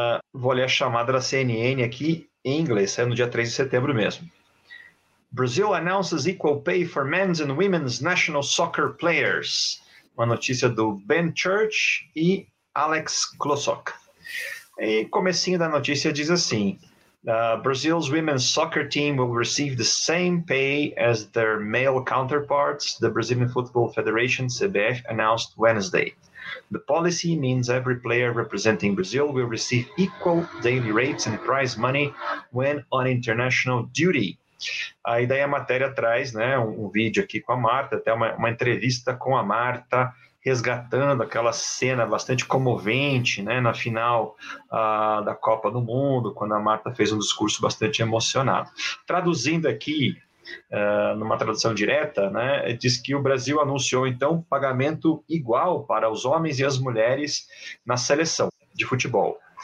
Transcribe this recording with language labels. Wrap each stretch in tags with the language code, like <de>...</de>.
<pt>Vou ler a chamada da CNN aqui em inglês, saiu no dia 3 de setembro mesmo.</pt> <en>Brazil announces equal pay for men's and women's national soccer players.</en> <pt>Uma notícia do Ben Church e Alex Klosok. E comecinho da notícia diz assim,</pt> <en>Brazil's women's soccer team will receive the same pay as their male counterparts, the Brazilian Football Federation, CBF, announced Wednesday. The policy means every player representing Brazil will receive equal daily rates and prize money when on international duty.</en> <pt>Aí daí a matéria traz, né, um vídeo aqui com a Marta, até uma entrevista com a Marta resgatando aquela cena bastante comovente, né, na final da Copa do Mundo, quando a Marta fez um discurso bastante emocionado. Traduzindo aqui, numa tradução direta, né, diz que o Brasil anunciou então pagamento igual para os homens e as mulheres na seleção de futebol.</pt>